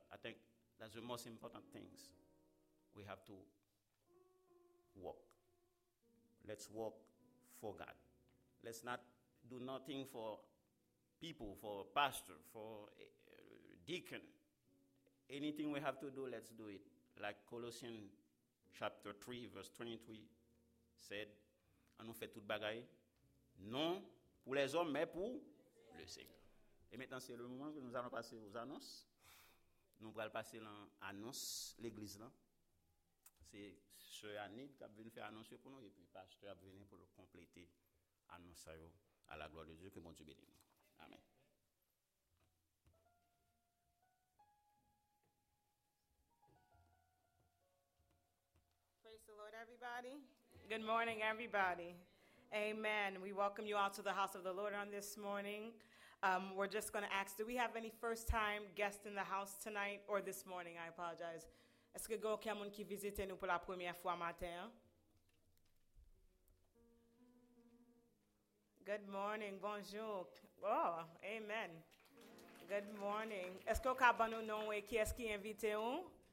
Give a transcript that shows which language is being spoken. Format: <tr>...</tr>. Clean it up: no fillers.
<en>I think that's the most important things we have to walk. Let's walk for God. Let's not do nothing for people, for pastor, for deacon. Anything we have to do, let's do it. Like Colossians chapter 3, verse 23 said,</en> <fr>on nous fait toute bagaille, non pour les hommes, mais pour le Seigneur. Et maintenant, c'est le moment que nous allons passer aux annonces. Nous allons passer l'annonce, l'église là. C'est ce Anid qui a venu faire annoncer pour nous, et puis pasteur a venu pour compléter l'annonce à la gloire de Dieu. Que mon Dieu bénisse. Amen.</fr> <en>Praise the Lord, everybody. Good morning, everybody. Amen. We welcome you all to the house of the Lord on this morning. We're just going to ask, do we have any first-time guests in the house tonight or this morning? I apologize.</en> <fr>Est-ce qu'il y a quelqu'un qui visite nous pour la première fois matin?</fr> <en>Good morning. Bonjour. Oh, amen. Good morning.</en> <fr>Est-ce qu'on a bon nom et qui est-ce qui invite nous?</fr>